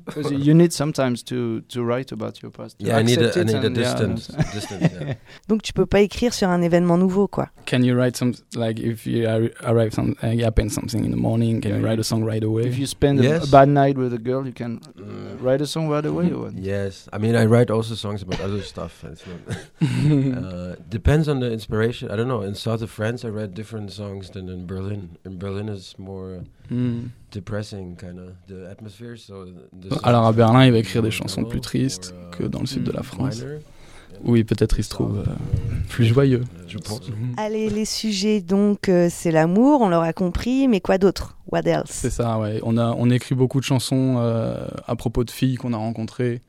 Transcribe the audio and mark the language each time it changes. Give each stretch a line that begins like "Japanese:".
English: You need sometimes to write about your past. Yeah, I need a distance. Yeah. Distance. Yeah.
French: Donc tu peux pas écrire sur un événement nouveau, quoi.
English: Can you write some like if you arrive some happen something in the morning? Can you write a song right away? If you spend a bad night with a girl, you can write a song right away. Or yes, I mean I write also songs about other stuff. depends on the inspiration. I don't know. In South of France, I read different songs than in Berlin. In Berlin is more depressing kind of the atmosphere. So
French: alors à Berlin, il va écrire des chansons plus tristes que dans le sud de la France. Oui, peut-être il se trouve plus joyeux. Je pense. Allez, les sujets donc, c'est l'amour, on l'aura compris, mais quoi d'autre?
English: What else?
French: C'est ça, ouais. On écrit beaucoup de chansons à propos de filles qu'on a rencontrées.